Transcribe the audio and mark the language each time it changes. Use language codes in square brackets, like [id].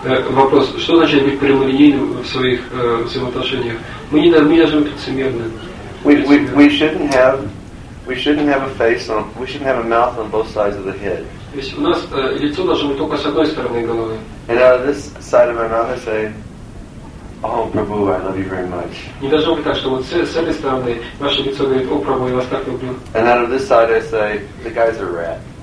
[ru] Вопрос, что значит быть прямолинейным в своих взаимоотношениях? Мы не должны быть лицемерными. [en] We shouldn't have a mouth on both sides of the head. [ru] То есть у нас лицо должно быть только с одной стороны головы. [en] And out of this side of our mouth, I say, Oh, Prabhu, I love you very much. [ru] Не должно быть так, что вот с этой стороны ваше лицо говорит, о, Прабху, я вас так люблю. [en] And out of this side I say, the guy's a rat.